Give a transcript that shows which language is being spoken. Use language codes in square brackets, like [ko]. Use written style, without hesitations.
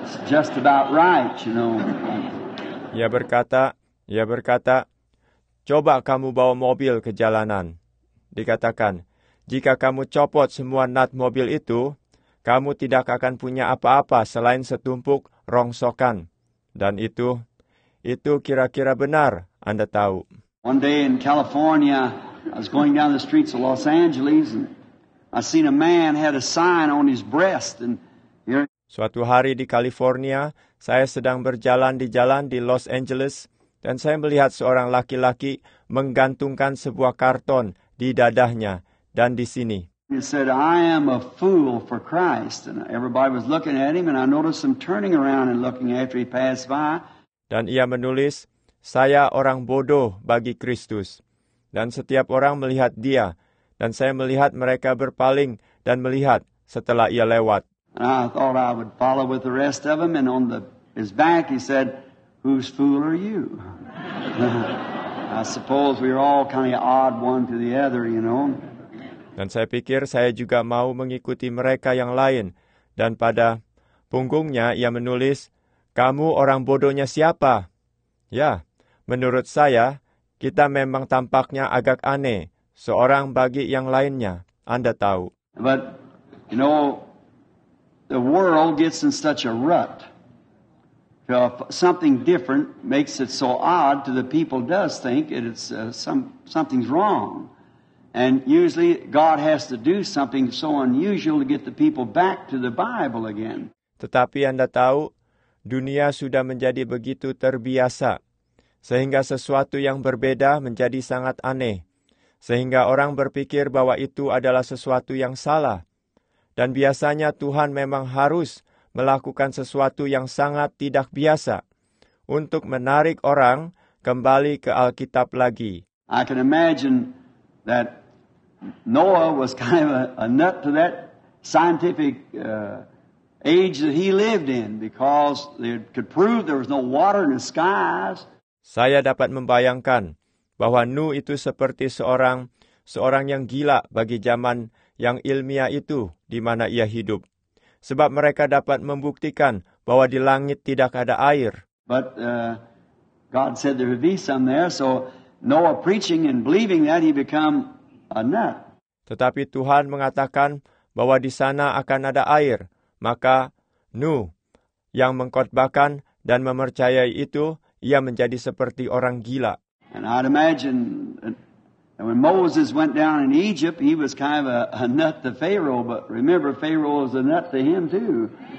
[en] just about right, you know. [id] Ia berkata, coba kamu bawa mobil ke jalanan. Dikatakan, jika kamu copot semua nat mobil itu, kamu tidak akan punya apa-apa selain setumpuk rongsokan. Dan itu kira-kira benar, Anda tahu. [en] One day in California, I was going down the streets of Los Angeles, and I seen a man had a sign on his breast. And here... [id] Suatu hari di California, saya sedang berjalan di jalan di Los Angeles, dan saya melihat seorang laki-laki menggantungkan sebuah karton di dadahnya, dan di sini. [en] He said, I am a fool for Christ. And everybody was looking at him, and I noticed him turning around and looking after he passed by. [id] Dan ia menulis, saya orang bodoh bagi Kristus. Dan setiap orang melihat dia, dan saya melihat mereka berpaling dan melihat setelah ia lewat. [en] And I thought I would follow with the rest of them, and on his back he said, whose fool are you? I suppose we're all kind of odd one to the other, you know. [id] Dan saya pikir saya juga mau mengikuti mereka yang lain. Dan pada punggungnya ia menulis, kamu orang bodohnya siapa? Ya, menurut saya, kita memang tampaknya agak aneh. Seorang bagi yang lainnya, Anda tahu. [en] But, you know, the world gets in such a rut. Something different makes it so odd to the people does think it's something's wrong. And usually God has to do something so unusual to get the people back to the Bible again. [id] Tetapi Anda tahu, dunia sudah menjadi begitu terbiasa, sehingga sesuatu yang berbeda menjadi sangat aneh. Sehingga orang berpikir bahwa itu adalah sesuatu yang salah. Dan biasanya Tuhan memang harus melakukan sesuatu yang sangat tidak biasa untuk menarik orang kembali ke Alkitab lagi. [en] I can imagine that Noah was kind of a nut to that scientific age that he lived in because they could prove there was no water in the skies. [id] Saya dapat membayangkan bahwa Nuh itu seperti seorang yang gila bagi zaman yang ilmiah itu di mana ia hidup. Sebab mereka dapat membuktikan bahwa di langit tidak ada air. [en] But God said there would be some there, so Noah preaching and believing that he become a nut. [id] Tetapi Tuhan mengatakan bahwa di sana akan ada air, maka Nuh yang mengkhotbahkan dan mempercayai itu, ia menjadi seperti orang gila. [en] And I'd imagine that when Moses went down in Egypt, he was kind of a nut to Pharaoh, but remember, Pharaoh was a nut to him too.